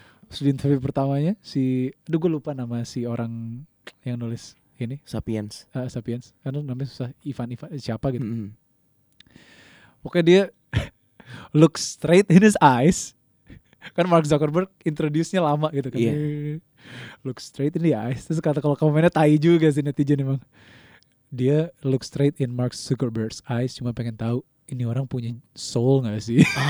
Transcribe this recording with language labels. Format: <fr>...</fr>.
<id>Sudah interview pertamanya si, aduh gue lupa nama si orang yang nulis ini. Sapiens. Sapiens. Karena namanya susah. Ivan siapa gitu. Mm-hmm. Pokoknya dia</id> <en>look straight in his eyes.</en> <id>Kan Mark Zuckerberg introduce-nya lama gitu kan. Yeah.</id> <en>Look straight in the eyes.</en> <id>Terus kata kalau komennya tai juga sih netizen emang. Dia</id> <en>look straight in Mark Zuckerberg's eyes.</en> <id>Cuma pengen tahu ini orang punya soul gak sih?</id>